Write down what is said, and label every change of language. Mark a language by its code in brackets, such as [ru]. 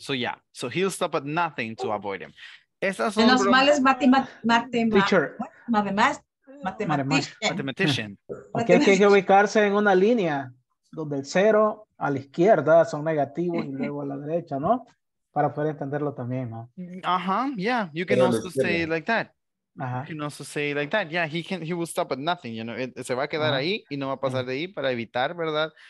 [en] So yeah, so he'll stop at nothing to avoid him. [es] Esas son los males matemáticos. [en] Mathematician. [es] Okay, hay que ubicarse en una línea donde el cero a la izquierda son negativos y luego a la derecha, ¿no? Para poder entenderlo también, ¿no? [en] Yeah, you can also say it like that. You can also say it like that. Yeah, he will stop at nothing, you know. [es] Se va a quedar ahí y no va a pasar de ahí para evitar, ¿verdad?